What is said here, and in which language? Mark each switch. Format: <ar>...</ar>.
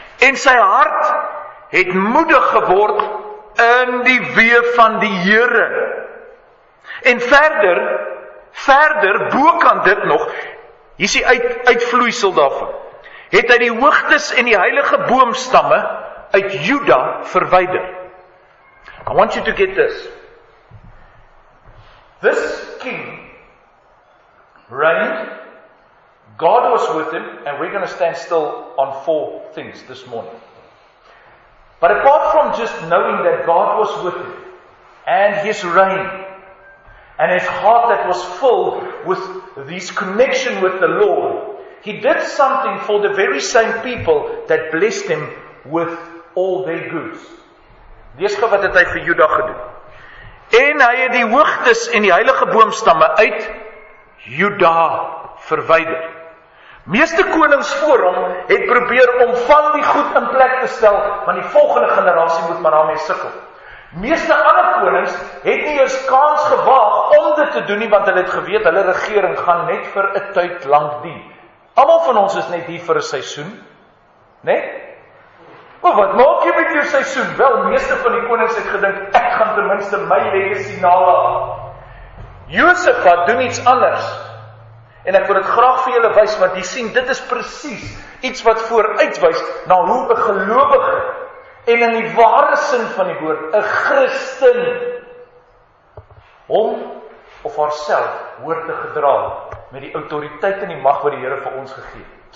<af>En sy hart het moedig geword in die weë van die Here. En verder bokant dit nog, hier is die uitvloeisel daarvan, het hy die hoogtes en die heilige boomstamme uit Juda verwyder.</af> <en>I want you to get this. This king reigned, God was with him, and we're going to stand still on four things this morning. But apart from just knowing that God was with him, and his reign, and his heart that was filled with this connection with the Lord, he did something for the very same people that blessed him with all their goods.</en> <af>Lees gou wat het hy vir Juda gedoen. En hy het die hoogtes en die heilige boomstamme uit Juda verwyder. Meeste konings voor hom het probeer om van die goed in plek te stel, want die volgende generasie moet maar daarmee sukkel. Meeste ander konings het nie eens kans gewaag om dit te doen nie, want hulle het geweet, hulle regering gaan net vir 'n tyd lank dien. Almal van ons is net hier vir 'n seisoen, né? Maar wat maak jy met jou seisoen? Wel, meeste van die konings het gedink, ek gaan ten minste my legacy nalaat. Josafat doen iets anders. En ek wil dit graag vir julle wys, want jy sien, dit is presies iets wat vooruitwys na hoe 'n gelowige en in die ware sin van die woord, 'n Christen, hom of haarself hoort te gedra met die autoriteit en die mag wat die Here vir ons gegee het.</af>